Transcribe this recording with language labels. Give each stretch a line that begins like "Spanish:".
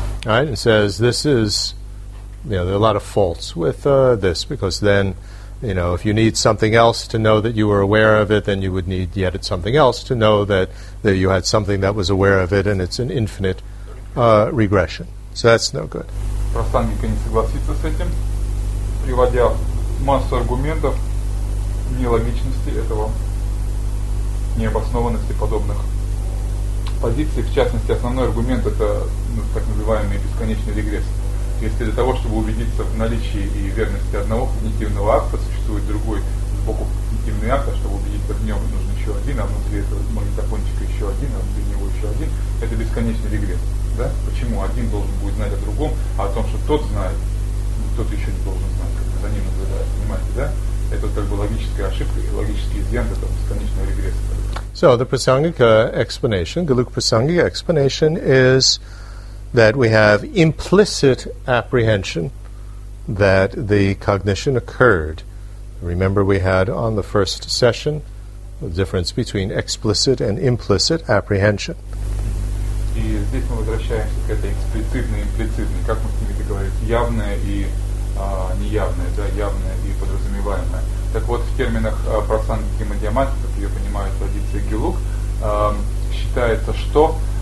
English: Right, and says this is, you know, there are a lot of faults with this, because then, you know, if you need something else to know that you were aware of it, then you would need yet something else to know that you had something that was aware of it, and it's an infinite regression. So that's no good.
Russian: Prasangika не согласится с этим, приводя массу аргументов нелогичности этого, необоснованности подобных позиции, в частности, основной аргумент – это так называемый бесконечный регресс. То есть для того, чтобы убедиться в наличии и верности одного когнитивного акта, существует другой сбоку когнитивный акт, а чтобы убедиться в нем, нужно еще один, а внутри этого магнитофончика еще один, а внутри него еще один. Это бесконечный регресс. Да? Почему один должен будет знать о другом, а о том, что тот знает, тот еще не должен знать, как за ним наблюдает. Понимаете, да? Это как бы логическая ошибка и логический изъян этого бесконечного регресса.
English: So the prasangika explanation, gelug prasangika explanation, is that we have implicit apprehension that the cognition occurred. Remember, we had on the first session the difference between explicit and implicit apprehension.
Russian: И здесь мы возвращаемся к этой эксплицитной и имплицитной, как мы с ними говорим, явное и неявное, да, явное и подразумеваемое. Так вот, в терминах прасангики мадьямати, как ее понимает традиция гелуг, считается, что